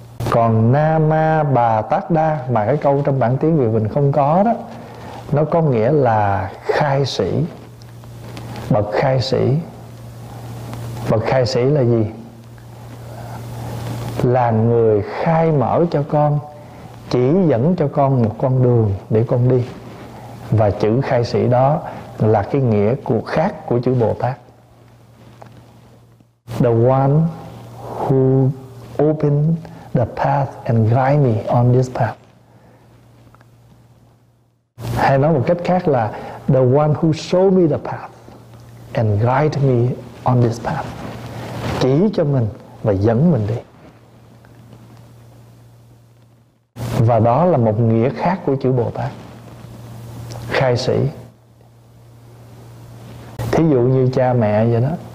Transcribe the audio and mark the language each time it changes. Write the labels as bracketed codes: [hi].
[vi] Còn Nama Bà Tát Đa mà cái câu trong bản tiếng Việt mình không có đó, nó có nghĩa là khai sĩ, bậc khai sĩ. Bậc khai sĩ là gì? Là người khai mở cho con, chỉ dẫn cho con một con đường để con đi. Và chữ khai sĩ đó là cái nghĩa của khác của chữ Bồ Tát. [en] The one who opened the path and guide me on this path. [vi] Hay nói một cách khác là [en] the one who showed me the path and guide me on this path. [vi] Chỉ cho mình và dẫn mình đi. Và đó là một nghĩa khác của chữ Bồ Tát, khai sĩ. Thí dụ như cha mẹ vậy đó,